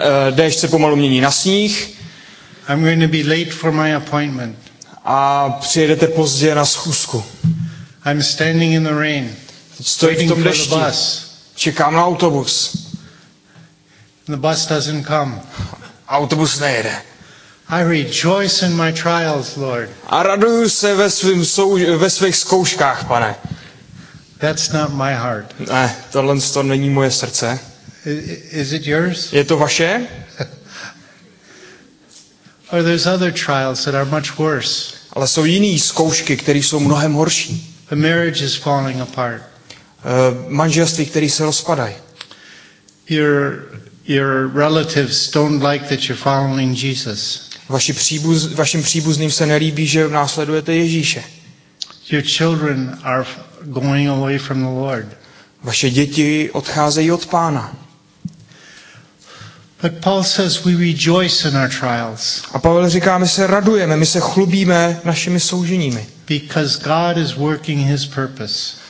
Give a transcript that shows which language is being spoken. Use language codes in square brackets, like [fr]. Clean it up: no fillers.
[cs] Déšť se pomalu mění na sníh. [en] I'm going to be late for my appointment. [cs] A přijedete pozdě na schůzku. [en] I'm standing in the rain. [cs] Stojím v tom dešti. Čekám na autobus. [en] The bus doesn't come. [cs] Autobus nejede. [en] I rejoice in my trials, Lord. [cs] A raduju se ve svých zkouškách, pane. [en] That's not my heart. [cs] Ne, tohle to není moje srdce. [en] Is it yours? [cs] Je to vaše? [en] Or there's other trials that are much worse. [cs] Ale jsou jiné zkoušky, které jsou mnohem horší. [en] A marriage is falling apart. [cs] Manželství, které se rozpadají. [en] Your relatives don't like that you're following Jesus. [cs] Vašim příbuzným se nelíbí, že následujete Ježíše. [en] Your children are going away from the Lord. [cs] Vaše děti odcházejí od Pána. [en] But Paul says we rejoice in our trials. [cs] A Pavel říká, my se radujeme, my se chlubíme našimi souženími. [en] Because God is working his purpose.